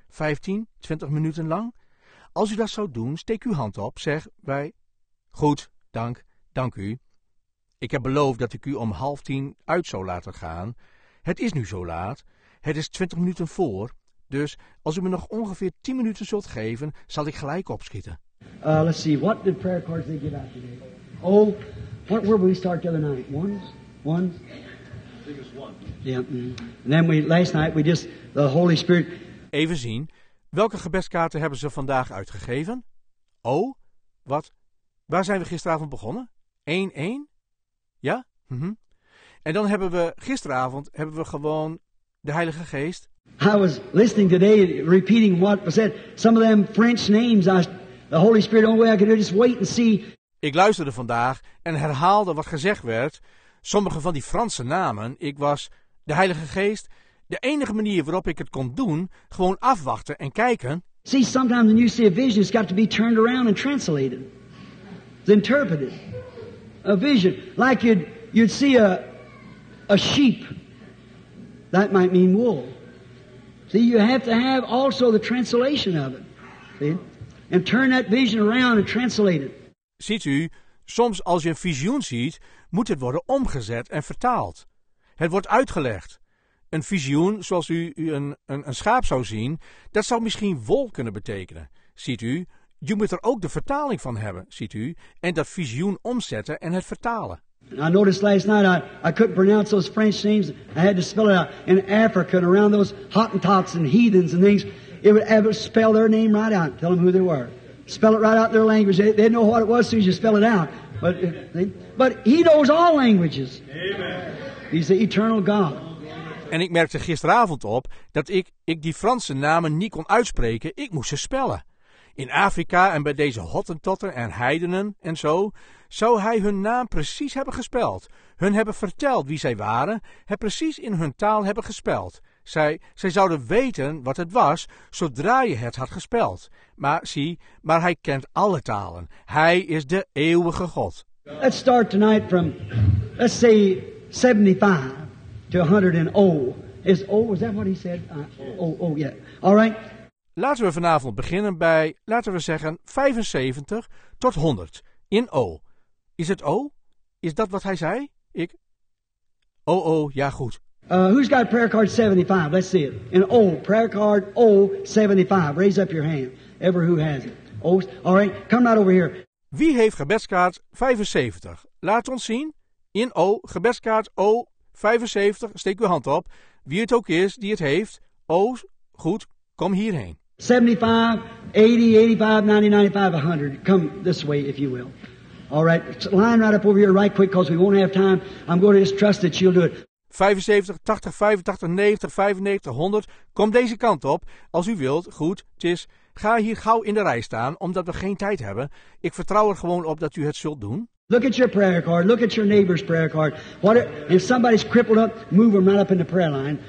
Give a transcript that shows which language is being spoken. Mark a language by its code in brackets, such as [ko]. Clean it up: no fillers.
[nl] 15, 20 minuten lang? Als u dat zou doen, steek uw hand op. Zeg wij... Goed, dank u. Ik heb beloofd dat ik u om 9:30 uit zou laten gaan. Het is nu zo laat... Het is 20 minuten voor, dus als u me nog ongeveer 10 minuten zult geven, zal ik gelijk opschieten. [en] Let's see, what did prayer cards they give out today? Oh, what were we start the other night? One? I think it was one. Yeah, and then last night we just, the Holy Spirit... [nl] Even zien, welke gebedskaarten hebben ze vandaag uitgegeven? Oh, wat? Waar zijn we gisteravond begonnen? 1-1? Ja? En dan hebben we gisteravond hebben we gewoon... De Heilige Geest. [en] I was listening today, repeating what was said. Some of them French names. The Holy Spirit, the only way I could do it, just wait and see. [nl] Ik luisterde vandaag en herhaalde wat gezegd werd. Sommige van die Franse namen. Ik was de Heilige Geest. De enige manier waarop ik het kon doen, gewoon afwachten en kijken. [en] See, sometimes when you see a vision, it's got to be turned around and translated. It's interpreted. A vision. Like you'd see a sheep. That might mean wool. See, you have to have also the translation of it. See? And turn that vision around and translate it. [nl] Ziet u, soms als je een visioen ziet, moet het worden omgezet en vertaald. Het wordt uitgelegd. Een visioen, zoals u een schaap zou zien, dat zou misschien wol kunnen betekenen. Ziet u, je moet er ook de vertaling van hebben, ziet u, en dat visioen omzetten en het vertalen. [en] I noticed last night I couldn't pronounce those French names. I had to spell it out in Africa and around those Hottentots and heathens and things. It would ever spell their name right out. Tell them who they were. Spell it right out in their language. They'd know what it was as soon as you spell it out. But he knows all languages. Amen. He's the eternal God. [nl] En ik merkte gisteravond op dat ik die Franse namen niet kon uitspreken. Ik moest ze spellen. In Afrika en bij deze Hottentotten en heidenen en zo... Zou hij hun naam precies hebben gespeld? Hun hebben verteld wie zij waren, het precies in hun taal hebben gespeld. Zij zouden weten wat het was, zodra je het had gespeld. Maar zie, maar hij kent alle talen. Hij is de eeuwige God. [en] Let's start tonight from, let's say, 75 to 100 and O. Is O, is that what he said? Yeah. All right. [nl] Laten we vanavond beginnen bij, laten we zeggen, 75 tot 100 in O. Is het O? Is dat wat hij zei? Ik... ja, goed. [en] Who's got prayer card 75? Let's see it. In O, prayer card O, 75. Raise up your hand. Ever who has it. O, all right, come right over here. [nl] Wie heeft gebedskaart 75? Laat ons zien. In O, gebedskaart O, 75. Steek uw hand op. Wie het ook is die het heeft. O, goed, kom hierheen. [en] 75, 80, 85, 90, 95, 100. Come this way, if you will. All right, line right up over here right quick, because we won't have time. I'm going to just trust that you'll do it. [nl] 75, 80, 85, 90, 95, 100. Kom deze kant op, als u wilt. Goed, het is... Ga hier gauw in de rij staan, omdat we geen tijd hebben. Ik vertrouw er gewoon op dat u het zult doen. [en] Look at your prayer card. Look at your neighbor's prayer card. What if somebody's crippled up, move them right up in the prayer line.